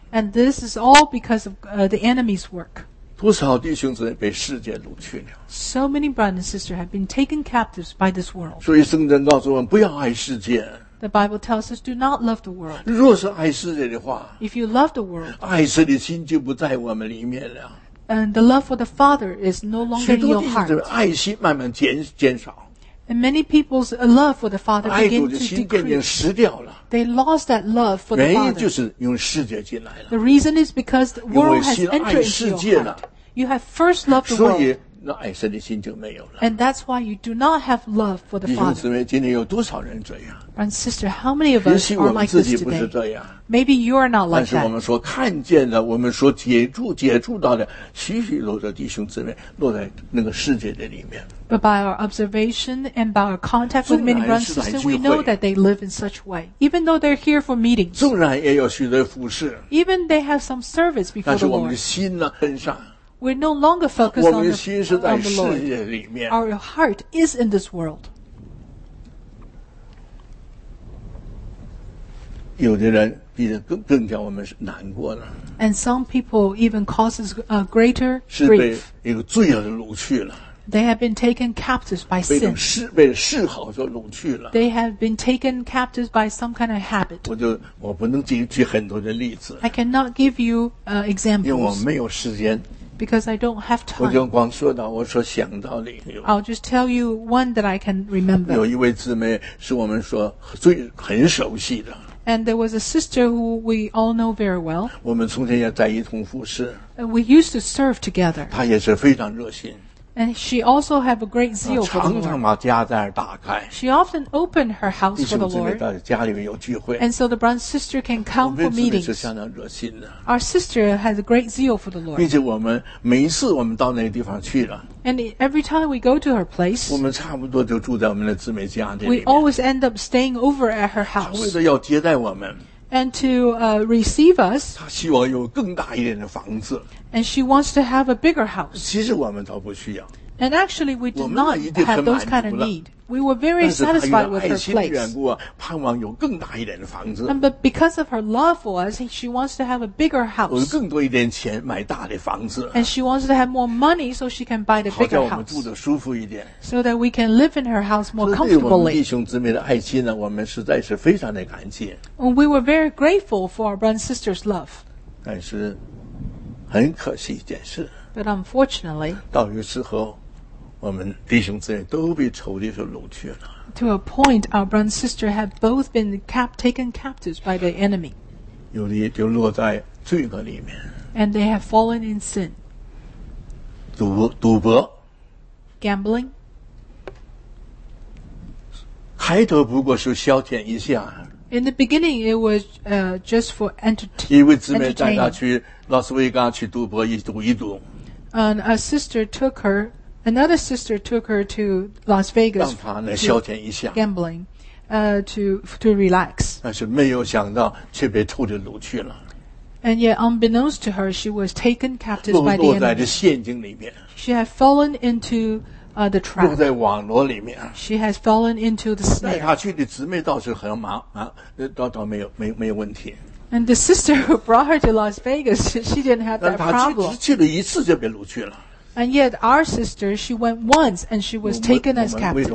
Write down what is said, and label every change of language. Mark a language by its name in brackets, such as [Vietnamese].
[English] And this is all because of the enemy's work. [Chinese] 多少弟兄姊妹被世界掳去了。 [English] So many brothers and sisters have been taken captives by this world. [Chinese] 所以圣经告诉我们不要爱世界。 [English] The Bible tells us, do not love the world. [Chinese] 若是爱世界的话, [English] if you love the world, [Chinese] 爱神的心就不在我们里面了。 [English] And the love for the Father is no longer in your heart. [Chinese] 许多弟兄姊妹爱心慢慢减少。 [English] And many people's love for the Father began to decrease. They lost that love for the Father. [Chinese] 原因就是用世界进来了。 [English] The reason is because the world has entered into your heart. You have first loved the world. [Chinese] 所以那爱神的心就没有了。 [English] And that's why you do not have love for the Father. [Chinese] 弟兄姊妹，今天有多少人这样？ [English] Brothers and sisters, how many of us are like this today? [Chinese] 也许我们自己不是这样。 [English] Maybe you are not like that. [Chinese] 但是我们说看见的，我们说接触到的，许许多多弟兄姊妹落在那个世界的里面。 [English] But by our observation and by our contact with many brothers and sisters, we know that they live in such a way. Even though they're here for meetings. [Chinese] 纵然也有许多服事。 [English] Even they have some service before the Lord. [Chinese] 但是我们的心呢，跟上。 [English] We're no longer focused on the Lord. [Chinese] 我们心是在世界里面。 [English] Our heart is in this world. [Chinese] 有的人比更加我们是难过的。 [English] And some people even causes a greater grief. [Chinese] 是被一个罪恶掳去了。 [English] They have been taken captives by sin. [Chinese] 被嗜好所掳去了。 [English] They have been taken captives by some kind of habit. [Chinese] 我不能举很多的例子。 [English] I cannot give you examples. [Chinese] 因为我没有时间。 [English] Because I don't have time. [Chinese] 我就光说到我所想到的。 [English] I'll just tell you one that I can remember. [Chinese] 有一位姊妹是我们说最很熟悉的。 [English] And there was a sister who we all know very well. [Chinese] 我们从前也在一同服侍。 [English] And we used to serve together. [Chinese] 她也是非常热心。 [English] And she also have a great zeal for the Lord. [Chinese] 常常把家带打开。 [English] She often opened her house for the Lord. [Chinese] 弟兄姊妹家里面有聚会。 [English] And so the brother sister can come for meetings. [Chinese] 是相当热心的。 [English] Our sister has a great zeal for the Lord. [Chinese] 并且我们每一次我们到那个地方去了。 [English] And every time we go to her place, [Chinese] 我们差不多就住在我们的姊妹家里面。 [English] We always end up staying over at her house. [Chinese] 为了要接待我们。 [English] And to receive us. [Chinese] 她希望有更大一点的房子。 [English] And she wants to have a bigger house. [Chinese] 其实我们倒不需要。 [English] And actually, we did not have those kind of need. We were very satisfied with her place. [Chinese] 但是她因为爱心的缘故啊，盼望有更大一点的房子。 [English] And but because of her love for us, she wants to have a bigger house. [Chinese] 有更多一点钱买大的房子。 [English] And she wants to have more money so she can buy the bigger house. [Chinese] 好叫我们住得舒服一点。 [English] So that we can live in her house more comfortably. [Chinese] 所以对我们弟兄姊妹的爱心呢，我们实在是非常的感激。 [English] And we were very grateful for our brother and sister's love. [Chinese] 但是。很可惜一件事 [English] But unfortunately, [Chinese] 到于时候我们弟兄姊妹都被仇敌所掳去了 [English] To a point, our brother and sister have both been taken captives by the enemy [Chinese] 有的就落在罪恶里面 [English] And they have fallen in sin [Chinese] 赌博 [English] Gambling [Chinese] 开头不过是消遣一下 [English] In the beginning, it was just for entertainment [Chinese] 一位姊妹带他去拉斯维加去赌博一赌一赌 [English] And a sister took her another sister took her to Las Vegas [Chinese] 让她消遣一下 [English] gambling to relax [Chinese] 但是没有想到却被偷着掳去了 [English] And yet unbeknownst to her she was taken captive by the enemy [Chinese] 落在这陷阱里面 [English] She had fallen into the trap [Chinese] 落在网络里面 [English] She has fallen into the snare [Chinese] 带她去的姊妹倒是很忙倒没有问题 [English] And the sister who brought her to Las Vegas, she didn't have that problem. [Chinese] 去了一次就被掳去了。 [English] And yet our sister, she went once and she was taken as captive.